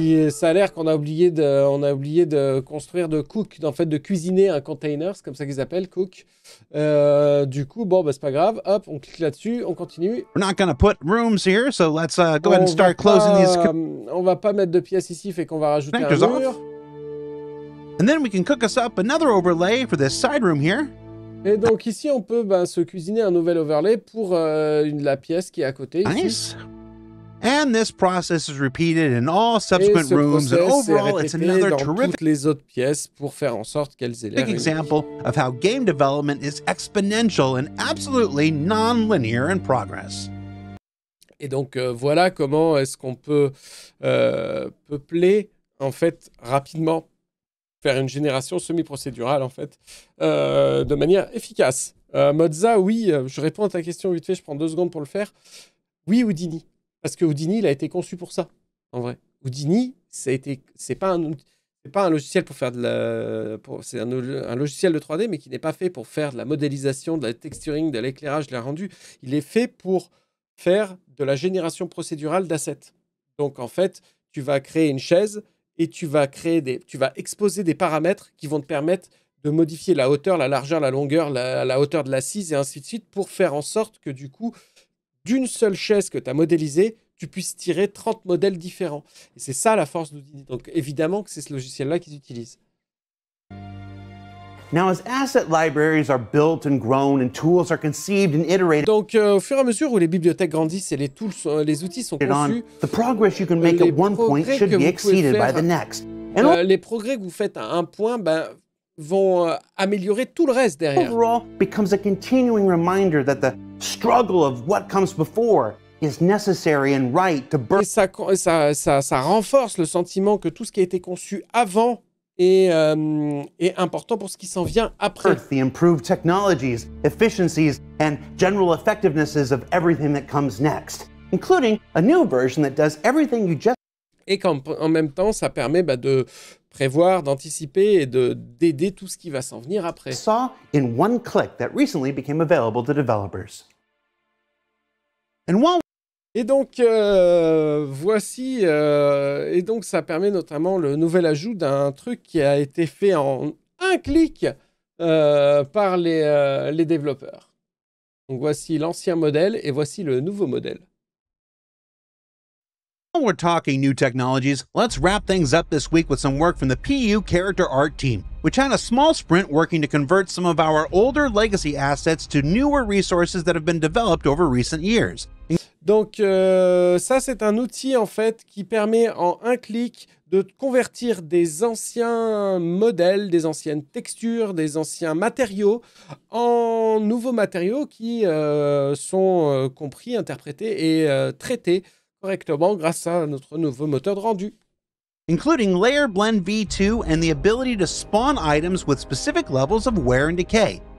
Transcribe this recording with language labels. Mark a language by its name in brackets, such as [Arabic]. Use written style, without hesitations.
[French] Ça a l'air qu'on a oublié de construire de cook, en fait de cuisiner un container, c'est comme ça qu'ils appellent cook. Du coup, bon, bah, c'est pas grave. Hop, on clique là-dessus, on continue. [English] We're not gonna put rooms here, so let's go ahead and start closing [French] pas, [English] these. [French] On va pas mettre de pièces ici, fait qu'on va rajouter [English] connectors [French] un mur. [English] Off. And then we can cook us up another overlay for this side room here. [French] Et donc ici, on peut bah, se cuisiner un nouvel overlay pour la pièce qui est à côté. [English] Nice. [French] Ici. [English] And this process is repeated in all subsequent rooms. And overall, it's another terrific [French] les autres pièces pour faire en sorte qu'elles aient l'air [English] example of how game development is exponential and absolutely non-linear in progress. [French] Et donc voilà comment est-ce qu'on peut peupler en fait rapidement faire une génération semi-procédurale en fait de manière efficace. Mozza, oui, je réponds à ta question vite fait. Je prends deux secondes pour le faire. Oui, Houdini. Parce que Houdini, il a été conçu pour ça, en vrai. Houdini, c'est pas un logiciel pour faire de la... c'est un logiciel de 3D, mais qui n'est pas fait pour faire de la modélisation, de la texturing, de l'éclairage, de la rendu. Il est fait pour faire de la génération procédurale d'assets. Donc, en fait, tu vas créer une chaise et tu vas exposer des paramètres qui vont te permettre de modifier la hauteur, la largeur, la longueur, la hauteur de l'assise, et ainsi de suite, pour faire en sorte que, du coup... d'une seule chaise que tu as modélisée, tu puisses tirer 30 modèles différents. Et c'est ça la force d'Houdini. Donc évidemment que c'est ce logiciel-là qu'ils utilisent. [English] Now, as asset libraries are built and grown and tools are conceived and iterated. [French] Donc au fur et à mesure où les bibliothèques grandissent et les outils sont conçus, [English] the progress you can make at one point should be exceeded by the next. [French] Les progrès que vous faites à un point, ben vont améliorer tout le reste derrière. [English] Overall becomes a continuing reminder that the struggle of what comes before is necessary and right to birth. [French] Ça renforce le sentiment que tout ce qui a été conçu avant est important pour ce qui s'en vient après. [English] The improved technologies, efficiencies, and general effectivenesses of everything that comes next, including a new version that does everything you just. [French] Et qu'en même temps, ça permet bah, de prévoir, d'anticiper et d'aider tout ce qui va s'en venir après. [English] Saw in one click that recently became available to developers. And one... [French] Et donc voici et donc ça permet notamment le nouvel ajout d'un truc qui a été fait en un clic par les développeurs. Donc voici l'ancien modèle et voici le nouveau modèle. [English] While we're talking new technologies, let's wrap things up this week with some work from the PU character art team, which had a small sprint working to convert some of our older legacy assets to newer resources that have been developed over recent years. [French] Donc ça c'est un outil en fait qui permet en un clic de convertir des anciens modèles, des anciennes textures, des anciens matériaux en nouveaux matériaux qui sont compris, interprétés et traités correctement grâce à notre nouveau moteur de rendu. [English] Including Layer Blend V2 and the ability to spawn items with specific levels of wear and decay.